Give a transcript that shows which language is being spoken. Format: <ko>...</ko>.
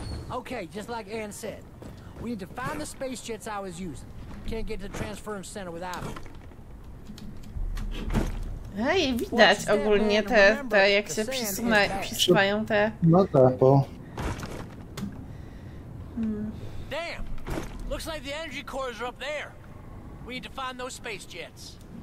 <en>Okay, just like Anne said. We need to find the space jets I was using. Can't get to the transference center without them.</en> <pl>Ej, widać ogólnie te jak się przysuwają te... No tak, bo...</pl> <en>Damn! Looks like the energy cores are up there. We need to find those space jets.</en>